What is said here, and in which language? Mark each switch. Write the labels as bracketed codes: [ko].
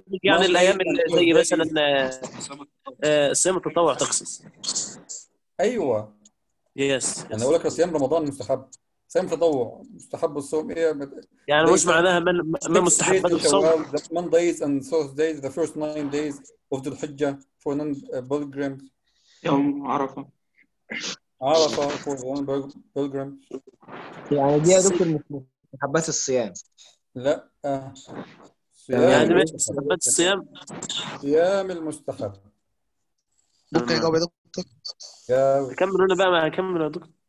[ar] يعني الأيام اللي زي مثلاً صيام التطوع تقصد. أيوة. [en] Yes. [ar] أنا أقول لك صيام رمضان مستحب. صيام التطوع مستحب الصوم إيه. يعني مش معناها من مستحب الصوم. [en] The Mondays and Thursdays, the first nine days of the Hajj for non-pilgrims. [ar] يوم عرفة. [en] عرفة for non-pilgrims. [ar] يعني دي أدوات المحبات الصيام. لا يعني مستحبات الصيام الصيام المستحب ممكن يجاوب يا دكتور كمل انا بقى هكمل يا دكتور